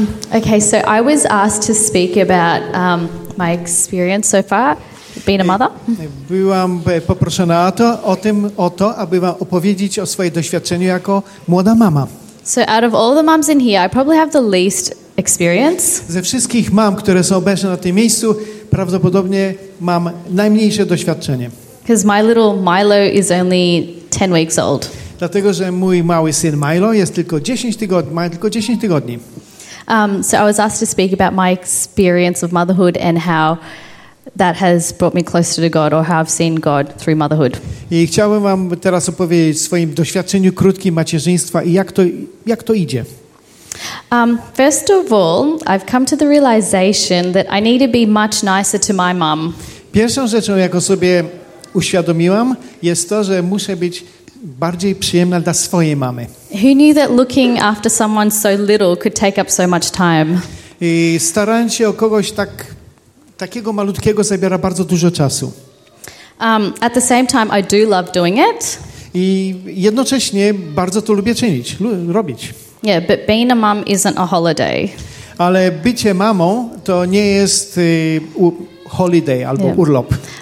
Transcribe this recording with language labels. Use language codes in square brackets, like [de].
[en] Okay, so I was asked to speak about my experience so far being a mother. [pl] Byłam poproszona o to, aby [cs] vám opovědět o svém [pl] doświadczeniu jako młoda mama. [en] So out of all the moms in here, I probably have the least experience. [pl] Ze wszystkich mam, które są obecne na tym miejscu, prawdopodobnie mam najmniejsze doświadczenie. [en] Because my little Milo is only 10 weeks old. [pl] Dlatego, że mój mały syn Milo jest tylko 10 tygodni, ma tylko 10 tygodni. [en] So I was asked to speak about my experience of motherhood and how that has brought me closer to God, or how I've seen God through motherhood. [pl] I chciałbym wam teraz opowiedzieć o swoim doświadczeniu krótkim macierzyństwa i jak to idzie. [en] First of all, I've come to the realization that I need to be much nicer to my mom. [pl] Pierwszą rzeczą, jaką sobie uświadomiłam, jest to, że muszę być bardziej przyjemna dla swojej mamy. [en] Who knew that looking after someone so little could take up so much time? [pl] I starając się o kogoś takiego malutkiego zabiera bardzo dużo czasu. [en] At the same time, I do love doing it. [pl] I jednocześnie bardzo to lubię czynić, robić. [en] Yeah, but being a mom isn't a holiday. [pl] Ale bycie mamą to nie jest holiday albo urlop.